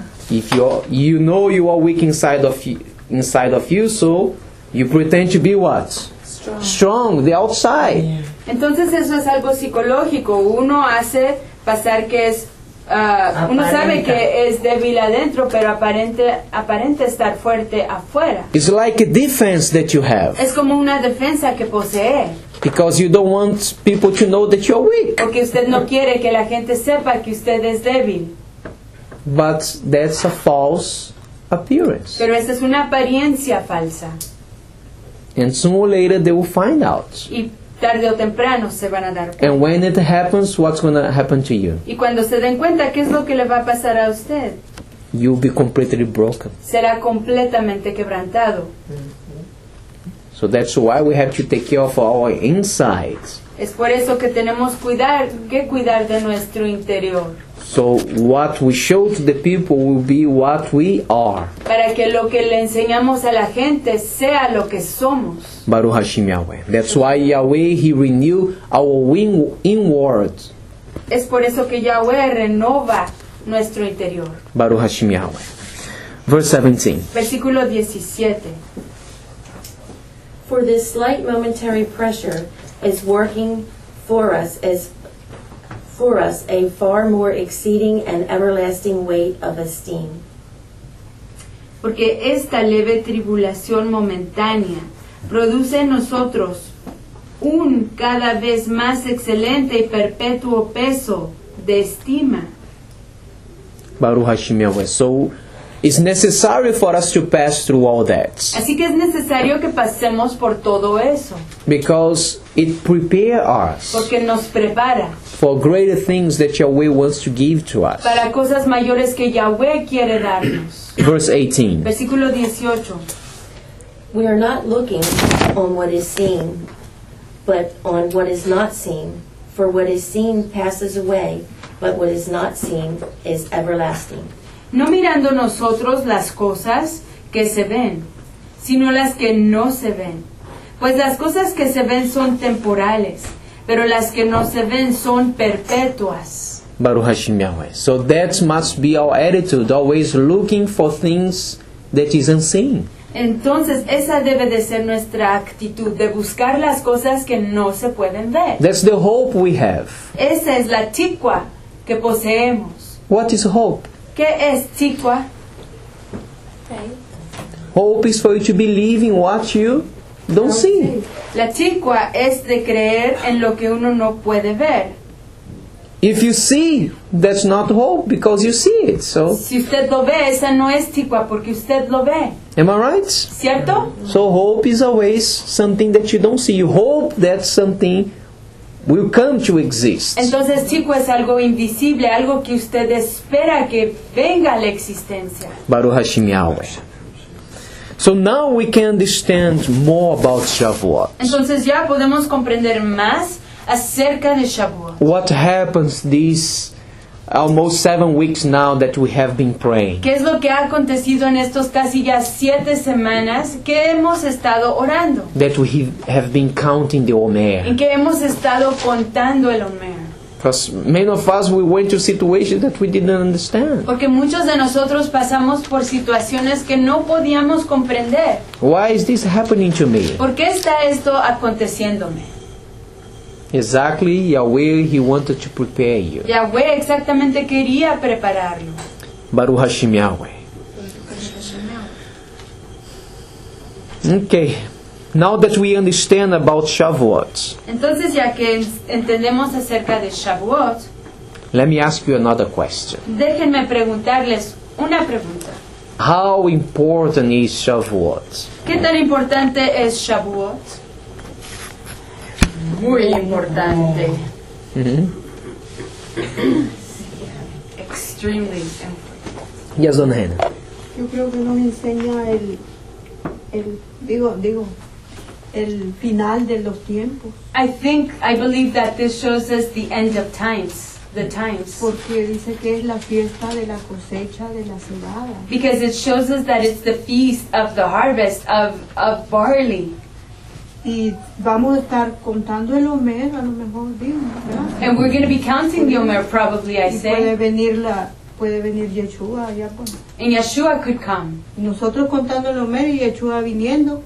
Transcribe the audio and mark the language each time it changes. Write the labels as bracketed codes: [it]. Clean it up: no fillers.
[en] If you know you are weak inside of you, so you pretend to be what? Strong the outside. [es] Entonces eso es algo psicológico. Uno hace pasar que es uno sabe que es débil adentro, pero aparente estar fuerte afuera. [en] It's like a defense that you have. [es] Es como una defensa que posee. [en] Because you don't want people to know that you're weak. [es] Porque usted no quiere que la gente sepa que usted es débil. [en] But that's a false appearance. [es] Pero esa es una apariencia falsa. [en] And sooner or later they will find out. [es] Y tarde o temprano se van a dar cuenta. [en] And when it happens, what's going to happen to you? [es] Y cuando se den cuenta, ¿qué es lo que le va a pasar a usted? [en] You'll be completely broken. [es] Será completamente quebrantado. [en] So that's why we have to take care of our insides. [es] Es por eso que tenemos que cuidar de nuestro interior. [en] So what we show to the people will be what we are. [es] Para que lo que le enseñamos a la gente sea lo que somos. [he] Baruch Hashem Yahweh. [en] That's why Yahweh, He renew our wing inward. [es] Es por eso que Yahweh renova nuestro interior. [he] Baruch Hashem Yahweh. [en] Verse 17. [es] Versículo 17. [en] For this slight momentary pressure is working for us a far more exceeding and everlasting weight of esteem. [es] Porque esta leve tribulación momentánea produce en nosotros un cada vez más excelente y perpetuo peso de estima. [he] Baruch Hashem Yahweh. [en] So it's necessary for us to pass through all that. [es] Así que es necesario que pasemos por todo eso. [en] Because it prepares us. [es] Porque nos prepara. [en] For greater things that Yahweh wants to give to us. [es] Para cosas mayores que Yahweh quiere darnos. [en] Verse 18. [es] Versículo 18. [en] We are not looking on what is seen, but on what is not seen. For what is seen passes away, but what is not seen is everlasting. [es] No mirando nosotros las cosas que se ven, sino las que no se ven. Pues las cosas que se ven son temporales, pero las que no se ven son perpetuas. [he] Baruch Hashem Yahweh. [en] So that must be our attitude, always looking for things that is unseen. [es] Entonces, esa debe de ser nuestra actitud, de buscar las cosas que no se pueden ver. [en] That's the hope we have. [es] Esa es la tikva que poseemos. [en] What is hope? [es] ¿Qué es tikva? [en] Faith. Hope is for you to believe in what you don't see. [es] La tikva es de creer en lo que uno no puede ver. [en] If you see, that's not hope because you see it. So. [es] Si usted lo ve, esa no es tikva porque usted lo ve. [en] Am I right? [es] ¿Cierto? [en] So hope is always something that you don't see. You hope that something will come to exist. [es] Entonces, tikva es algo invisible, algo que usted espera que venga a la existencia. [he] Baruch Hashem Yahweh. [en] So now we can understand more about Shavuot. [es] Entonces ya podemos comprender más acerca de Shavuot. [en] What happens these almost 7 weeks now that we have been praying? [es] ¿Qué es lo que ha acontecido en estos casi ya 7 semanas que hemos estado orando? [en] That we have been counting the Omer. [es] En que hemos estado contando el Omer. [en] Because many of us, we went to situations that we didn't understand. [es] Porque muchos de nosotros pasamos por situaciones que no podíamos comprender. [en] Why is this happening to me? [es] ¿Por qué está esto aconteciéndome? [en] Exactly, Yahweh, He wanted to prepare you. [es] Yahweh exactamente quería prepararlo. [he] Baruch Hashem Yahweh. [en] Okay, now that we understand about Shavuot. [es] Entonces ya que entendemos acerca de Shavuot. [en] Let me ask you another question. [es] Déjenme preguntarles una pregunta. [en] How important is Shavuot? [es] ¿Qué tan importante es Shavuot? Muy importante. [en] Extremely important. Yes, Don Hannah. [es] Yo creo que nos enseña el, el final de los tiempos. [en] I believe that this shows us the end of times, the times. [es] Porque dice que es la fiesta de la cosecha de la cebada. [en] Because it shows us that it's the feast of the harvest of barley. [es] Y vamos a estar contando el Omer, a lo mejor digo, ¿verdad? [en] And we're going to be counting the Omer, probably, I say. [es] Y puede venir Yeshua allá con. [en] And Yeshua could come. [es] Y nosotros contando el Omer y Yeshua viniendo.